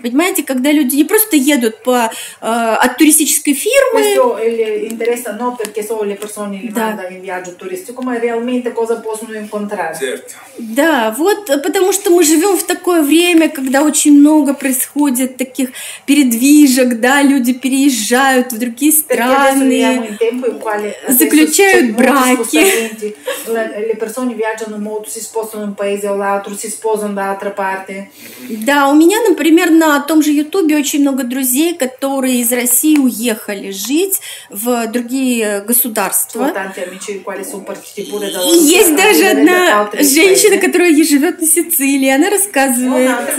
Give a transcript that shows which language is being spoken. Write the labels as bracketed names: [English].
[Russian] Понимаете, когда люди не просто едут по, от туристической фирмы. Да, вот потому что мы живем в такое время, когда очень много происходит таких передвижек, да, люди переезжают в другие страны. Заключают браки. [Italian] Le persone viaggiano molto, si sposano in paese o l'altro, si sposano da altra parte. [Russian] Да, у меня, например, на том же Ютубе очень много друзей, которые из России уехали жить в другие государства. И есть даже одна женщина, которая живет на Сицилии, она рассказывает.